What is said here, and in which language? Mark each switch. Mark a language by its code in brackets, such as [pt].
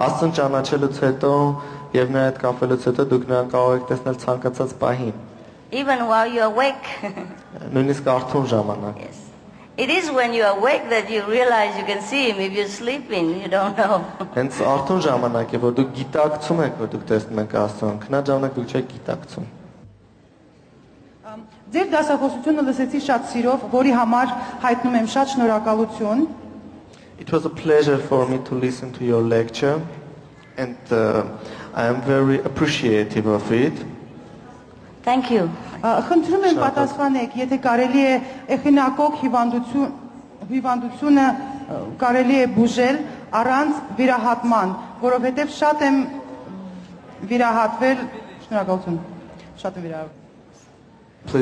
[hy] Աստծուն ճանաչելուց հետո եւ նրա հետ կապելուց հետո դուք նրան կարող եք տեսնել ցանկացած պահին։ [en] Even while you are awake. [hy] Նույնիսկ արթուն ժամանակ։ [en] Yes. It is when you are awake that you realize you can see him. If you're sleeping, you don't know. [hy] Հենց արթուն ժամանակ է, որ դու գիտակցում ես, որ դու տեսնում ես Աստծուն։ Քնա ժամանակ դու չես գիտակցում։ Ձեր դասախոսությունը լսեցի շատ սիրով, որի համար հայտնում եմ շատ շնորհակալություն։ [en] It was a pleasure for me to listen to your lecture and I am very appreciative of it. Thank you. [hy] Խնդրում եմ պատասխանեք, եթե կարելի է էխինակոկ հիվանդությունը կարելի է բուժել առանց վիրահատման, որովհետև շատ եմ վիրահատվել, շնորհակալություն, շատ եմ վիրահատվել.